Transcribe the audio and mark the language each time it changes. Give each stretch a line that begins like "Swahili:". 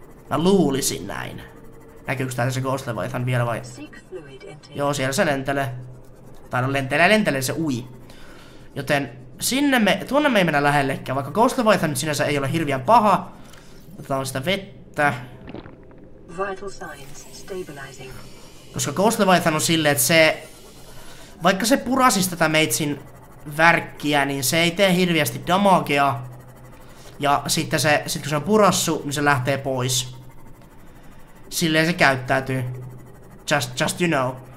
Finnish: Mä luulisin näin. Näkyykö täällä se Ghost Leviathan vielä vai? Joo, siellä se lentelee. Tai no lentelee se ui. Joten sinne me, tuonne me ei mennä lähellekään. Vaikka Ghost Leviathan nyt sinänsä ei ole hirveän paha. Otetaan sitä vettä.
English: Vital signs stabilizing.
Finnish: Koska Ghost Leviathan on silleen, että se... Vaikka se purasis tätä meitsin värkkiä, niin se ei tee hirveästi damagea. Ja sitten kun se on purassu, niin se lähtee pois. Silleen se käyttäytyy.
English: Just you know.